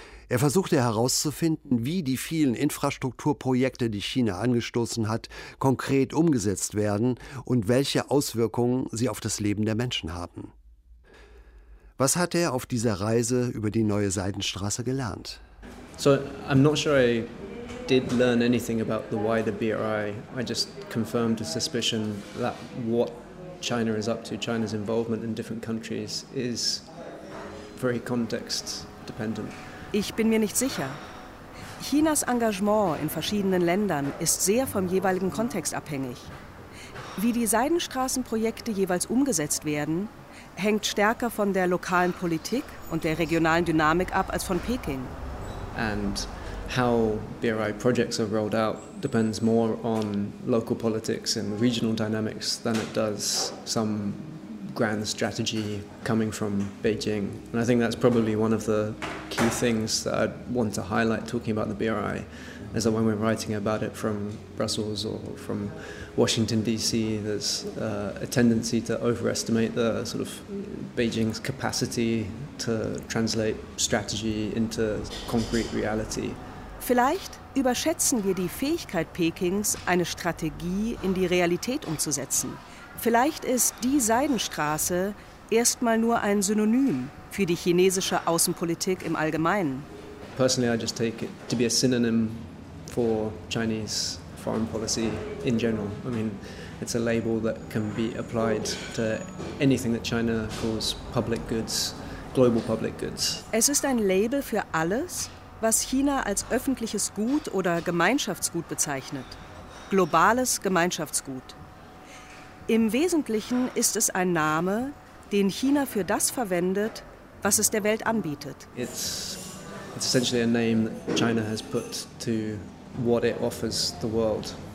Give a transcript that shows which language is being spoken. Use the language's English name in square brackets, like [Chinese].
[German] Er versuchte herauszufinden, wie die vielen Infrastrukturprojekte, die China angestoßen hat, konkret umgesetzt werden und welche Auswirkungen sie auf das Leben der Menschen haben. Was hat er auf dieser Reise über die neue Seidenstraße gelernt? [English] So, I'm not sure I did learn anything about the why the BRI. I just confirmed a suspicion that what China is up to, China's involvement in different countries is very context dependent. [German] Ich bin mir nicht sicher. Chinas Engagement in verschiedenen Ländern ist sehr vom jeweiligen Kontext abhängig. Wie die Seidenstraßenprojekte jeweils umgesetzt werden, hängt stärker von der lokalen Politik und der regionalen Dynamik ab als von Peking. [English] And how BRI projects are rolled out depends more on local politics and regional dynamics than it does some grand strategy coming from Beijing. And I think that's probably one of the key things that I'd want to highlight talking about the BRI, is that when we're writing about it from Brussels or from Washington DC, there's a tendency to overestimate the sort of Beijing's capacity to translate strategy into concrete reality. [German] Vielleicht überschätzen wir die Fähigkeit Pekings, eine Strategie in die Realität umzusetzen. Vielleicht ist die Seidenstraße erstmal nur ein Synonym für die chinesische Außenpolitik im Allgemeinen. [English] Personally, I just take it to be a synonym for Chinese foreign policy in general. I mean, it's a label that can be applied to anything that China calls public goods, global public goods. [German] Es ist ein Label für alles, was China als öffentliches Gut oder Gemeinschaftsgut bezeichnet. Globales Gemeinschaftsgut. Im Wesentlichen ist es ein Name, den China für das verwendet, was es der Welt anbietet. [English] It's essentially a name that China has put to what it offers the world.